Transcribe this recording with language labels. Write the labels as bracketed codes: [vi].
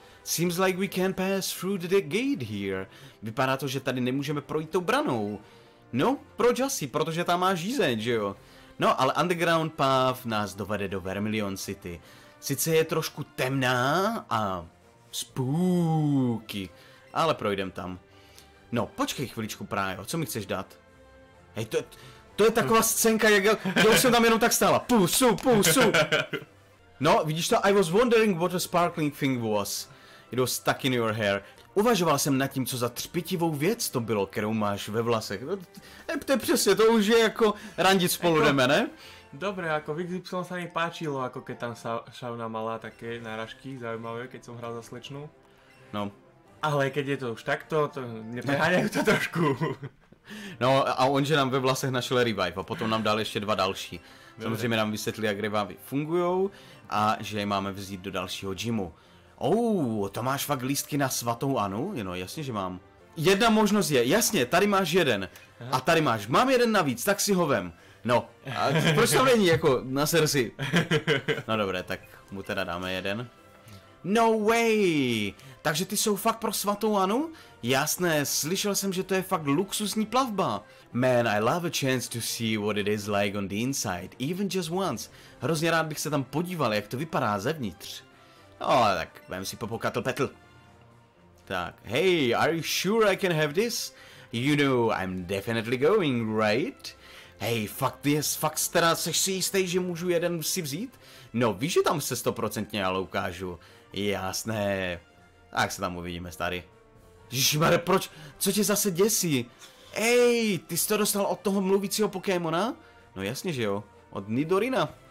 [en] Seems like we can pass through the gate here. [cs] Vypadá to, že tady nemůžeme projít tou branou. No, proč asi? Protože tam má žízeň, že jo? No, ale underground path nás dovede do Vermilion City. Sice je trošku temná a spooky, ale projdem tam. No, počkej chviličku, Prájo, co mi chceš dát? Hej, to je taková scénka, jak já jsem tam jenom tak stála. Pusu, pusu. No, vidíš to? [en] I was wondering what a sparkling thing was. It was stuck in your hair. [cs] Uvažoval jsem nad tím, co za třpitivou věc to bylo, kterou máš ve vlasech. No, to je přesně, to už je jako randit spolu jdeme, ne? [sk] Dobré, jako v XY se mi páčilo, jako keď tam šauna mala také náražky, zaujímavé, keď jsem hrál za slečnu. No. Ale keď je to už takto, to nepreháňají to trošku. [cs] No a on, že nám ve vlasech našel revive a potom nám dal ještě dva další. Dobre. Samozřejmě nám vysvětlí, jak revivy fungují a že je máme vzít do dalšího gymu. To máš fakt lístky na svatou Anu? No jasně, že mám. Jedna možnost je, jasně, tady máš jeden. Aha. A tady máš, mám jeden navíc, tak si ho vem. No, a proč to není jako na srsi? No dobré, tak mu teda dáme jeden. [en] No way! [cs] Takže ty jsou fakt pro svatou Anu? Jasné, slyšel jsem, že to je fakt luxusní plavba. [en] Man, I love a chance to see what it is like on the inside, even just once. [cs] Hrozně rád bych se tam podíval, jak to vypadá zevnitř. No, tak vem si popokatl petl. [en] Tak, hey, are you sure I can have this? You know, I'm definitely going, right? [cs] Hej, fakt teda, seš si jistý, že můžu jeden si vzít? No, víš, že tam se 100% ale ukážu. Jasné. Tak se tam uvidíme, starý. Ježišmarja, proč? Co tě zase děsí? Ej, ty jsi to dostal od toho mluvícího Pokémona? No jasně, že jo. Od Nidorina.